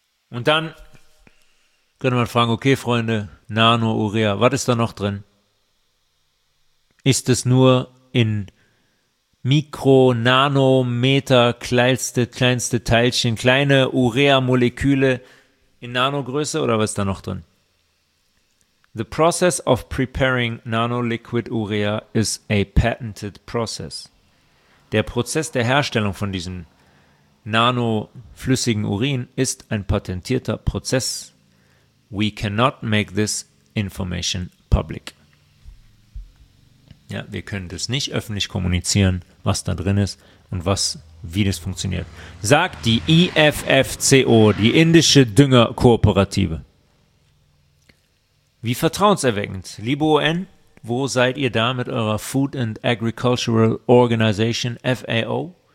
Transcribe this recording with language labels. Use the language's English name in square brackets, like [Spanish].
[German] Und dann könnte man fragen, okay, Freunde, Nano-Urea, was ist da noch drin? Ist es nur in Mikro-, Nanometer, kleinste Teilchen, kleine Urea-Moleküle in Nanogröße oder was ist da noch drin? [English] The process of preparing nanoliquid urea is a patented process. [German] Der Prozess der Herstellung von diesem nanoflüssigen Urin ist ein patentierter Prozess. [English] We cannot make this information public. [German] Ja, wir können das nicht öffentlich kommunizieren, was da drin ist und was, wie das funktioniert. Sagt die IFFCO, die indische Düngerkooperative. Wie vertrauenserweckend. Liebe UN, wo seid ihr da mit eurer Food and Agricultural Organization, FAO?